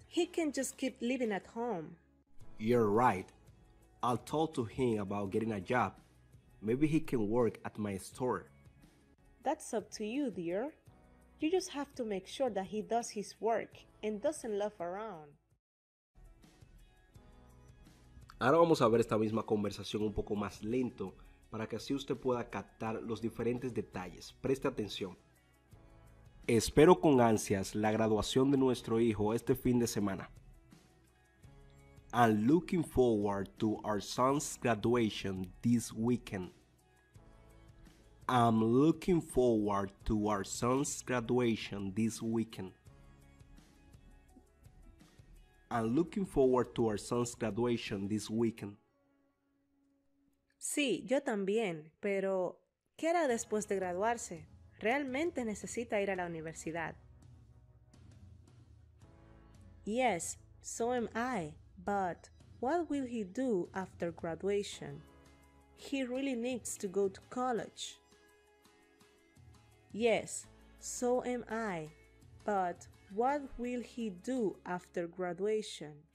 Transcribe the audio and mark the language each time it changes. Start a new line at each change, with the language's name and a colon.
English: He can't just keep living at home. You're right. I'll talk to him about getting a job. Maybe he can work at my store. That's up to you, dear. You just have to make sure that he does his work and doesn't laugh around.
Spanish: Ahora vamos a ver esta misma conversación un poco más lento, para que así usted pueda captar los diferentes detalles. Preste atención. Espero con ansias la graduación de nuestro hijo este fin de semana.
English: I'm looking forward to our son's graduation this weekend. I'm looking forward to our son's graduation this weekend. I'm looking forward to our son's graduation this weekend.
Spanish: Sí, yo también, pero ¿qué hará después de graduarse? ¿Realmente necesita ir a la universidad?
English: Yes, so am I, but what will he do after graduation? He really needs to go to college. Yes, so am I, but what will he do after graduation?